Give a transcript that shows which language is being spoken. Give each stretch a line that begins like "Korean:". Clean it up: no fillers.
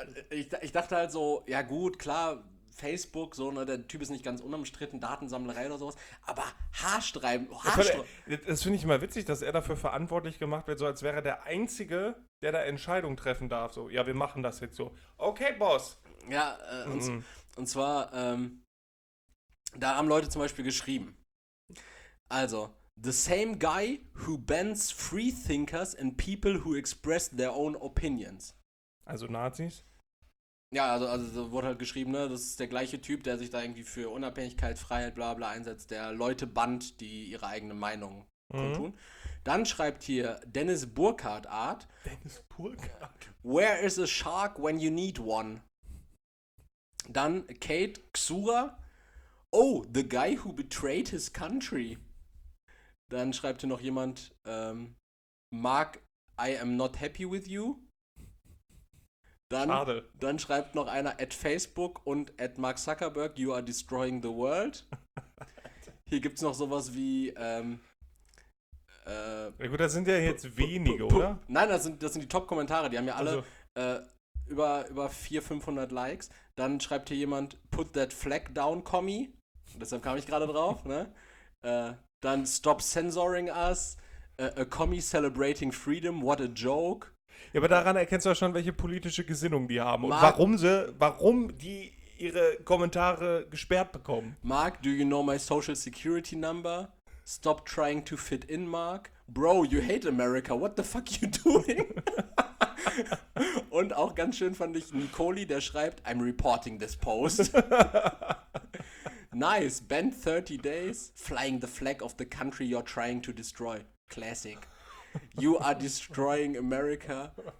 German: ich dachte halt so, ja gut, klar, Facebook, so, ne, der Typ ist nicht ganz unumstritten, Datensammlerei oder sowas, aber Haarsträuben. Das finde ich immer witzig, dass er dafür verantwortlich gemacht wird, so als wäre er der Einzige, der da Entscheidungen treffen darf. So, ja, wir machen das jetzt so. Okay, Boss. Ja, und zwar, da haben Leute zum Beispiel geschrieben. Also,
English: the same guy who bans free thinkers and people who express their own opinions.
German: Also Nazis? Ja, also so wurde halt geschrieben, ne, das ist der gleiche Typ, der sich da irgendwie für Unabhängigkeit, Freiheit, bla bla einsetzt, der Leute bannt, die ihre eigene Meinung kundtun. Dann schreibt hier Dennis Burkhardt Art, Dennis Burkhardt.
English: Where is a shark when you need one?
German: Dann
English: Kate Xura, oh, the guy who betrayed his country.
German: Dann schreibt hier noch jemand,
English: Mark, I am not happy with you.
German: Dann Schade. schreibt noch einer
English: at Facebook
German: und
English: at Mark Zuckerberg, you are destroying the world.
German: Hier gibt es noch sowas wie Ja gut, das sind ja jetzt wenige, oder? nein, das sind die Top-Kommentare, die haben ja alle Also. über 400, 500 Likes. Dann schreibt hier jemand,
English: put that flag down,
German: Kommi. Deshalb kam ich gerade drauf, ne? Dann
English: stop censoring us. A Kommi celebrating freedom, what a joke.
German: Ja, aber daran erkennst du ja schon, welche politische Gesinnung die haben und warum die ihre Kommentare gesperrt bekommen.
English: Mark, do you know my social security number? Stop trying to fit in, Mark. Bro, you hate America. What the fuck you doing?
German: Und auch ganz schön fand ich Nicoli, der schreibt,
English: I'm reporting this post. Nice, banned 30 days, flying the flag of the country you're trying to destroy. Classic. You are destroying America.